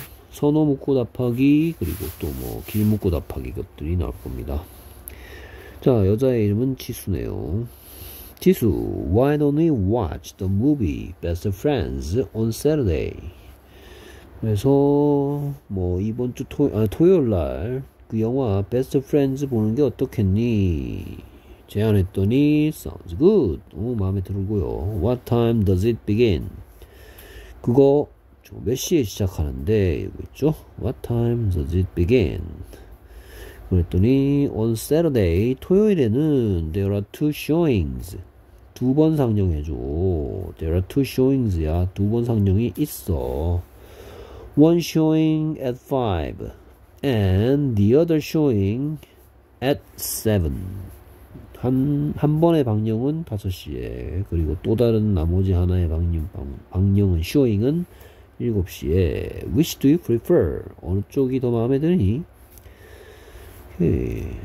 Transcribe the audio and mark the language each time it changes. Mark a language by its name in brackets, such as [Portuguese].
[Korean] 선호 묻고 답하기, 그리고 또 뭐, 길 묻고 답하기 것들이 나올 겁니다. 자, 여자의 이름은 지수네요. [English] 지수, why don't we watch the movie Best Friends on Saturday? [Korean] 그래서, 뭐, 이번 주 토요일 날, 그 영화 Best Friends 보는 게 어떻겠니? 제안했더니 [English] sounds good. [Korean] 오, 마음에 들고요. [English] What time does it begin? [Korean] 그거 몇 시에 시작하는데 여기 있죠? [English] What time does it begin? [Korean] 그랬더니 [English] on Saturday [Korean] 토요일에는 [English] there are two showings. [Korean] 두번 상영해줘. [English] There are two showings야. [Korean] 두번 상영이 있어. [English] One showing at 5 and the other showing at 7. [Korean] 한 번의 방영은 5시에, 그리고 또 다른 나머지 하나의 방영은, 쇼잉은 7시에. [English] Which do you prefer? [Korean] 어느 쪽이 더 마음에 드니? 오케이.